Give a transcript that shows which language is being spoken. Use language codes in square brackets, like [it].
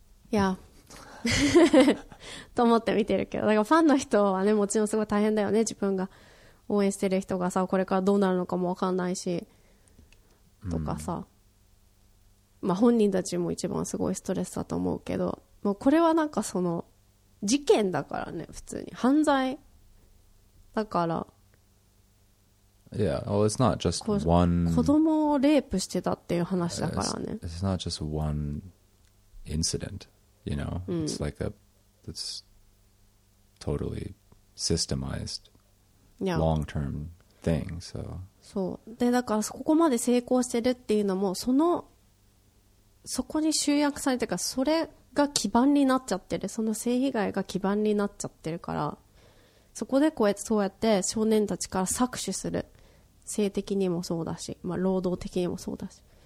[ja] いやと思って見てるけど、だからファンの人はねもちろんすごい大変だよね、自分が応援してる人がさこれからどうなるのかも分かんないしとかさ、うん、まあ本人たちも一番すごいストレスだと思うけど、もうこれはなんかその事件だからね、普通に犯罪だから。 [en] Yeah, well, it's not just one [ja] 子供をレイプしてたっていう話だからね。 [en] It's not just one incident, you know, it's like a that's totally systemized long term thing. So, [ja] そうで、だからここまで成功してるっていうのもそのそこに集約されてるから、それが基盤になっちゃってる、その性被害が基盤になっちゃってるから、そこでこうやってそうやって少年たちから搾取する、性的にもそうだし、まあ、労働的にもそうだし